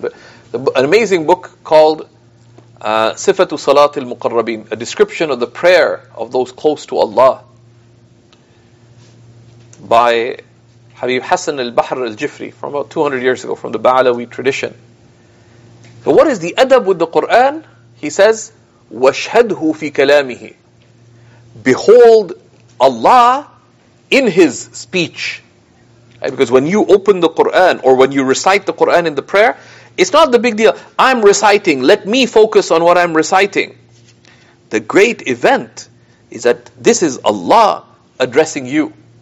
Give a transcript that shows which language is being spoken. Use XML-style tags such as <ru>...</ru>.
<en>But an amazing book called Sifatu Salatil Muqarrabin, a description of the prayer of those close to Allah, by Habib Hassan al-Bahr al-Jifri, from about 200 years ago, from the Ba'alawi tradition. So what is the adab with the Qur'an? He says,</en> <ar>وَشْهَدْهُ فِي كَلَامِهِ.</ar> <en>Behold Allah in His speech. Right? Because when you open the Qur'an, or when you recite the Qur'an in the prayer, it's not the big deal. I'm reciting, let me focus on what I'm reciting. The great event is that this is Allah addressing you.</en>